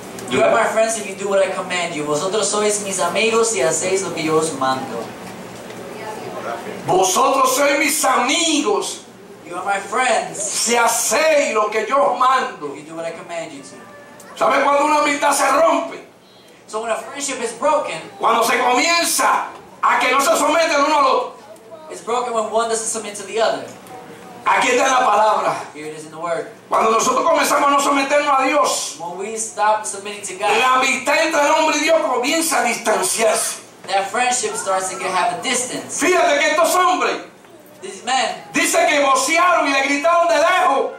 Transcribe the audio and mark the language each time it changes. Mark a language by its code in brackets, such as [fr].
[en] You are my friends if you do what I command you. [es] Vosotros sois mis amigos si hacéis lo que yo os mando. Vosotros sois mis amigos. [en] You are my friends. [es] Si hacéis lo que yo os mando. [en] If you do what I command you to. [es] ¿Sabes cuando una amistad se rompe? [en] So when a friendship is broken. [es] Cuando se comienza a que no se somete el uno al otro. [en] It's broken when one doesn't submit to the other. [es] Aquí está la palabra. [en] Here it is in the word. [es] Cuando nosotros comenzamos a no someternos a Dios, [en] when we stop submitting to God, [es] la amistad entre el hombre y Dios comienza a distanciarse. [en] That friendship starts to have a distance. [es] Fíjate que estos hombres, [en] these men, [es] dice que vocearon y le gritaron de lejos.